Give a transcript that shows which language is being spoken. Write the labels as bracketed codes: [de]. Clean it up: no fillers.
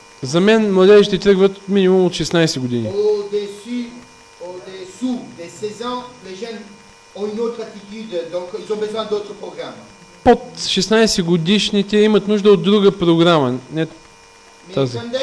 [bg] За мен младежите тръгват минимум от 16 години. [fr] Au-dessous de 16 ans, les jeunes ont une autre attitude, donc ils ont besoin d'autres programmes. [bg] Под 16 годишните имат нужда от друга програма. Тази.